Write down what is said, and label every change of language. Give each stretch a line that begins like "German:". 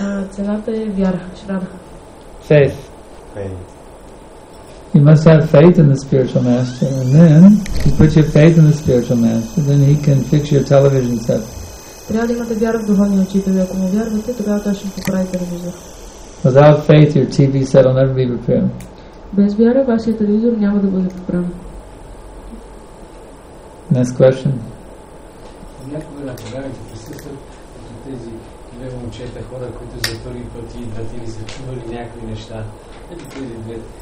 Bulgarian: Цената е вяра, Shraddha.
English: Faith. Faith. You must have faith in the spiritual master, and then you put your faith in the spiritual master, then he can fix your television set.
Bulgarian: Трябва да имате вяра в духовния учител, ако му вярвате, тогава той ще поправи телевизор.
English: Without faith, your TV set will never be repaired.
Bulgarian: Без вяра, вашия телевизор няма да бъде поправен.
English: Next question.
Bulgarian: Някога на програмите присъстват като тези две момчета, хора, които за първи път идват или са чували някои неща. Ето тези две.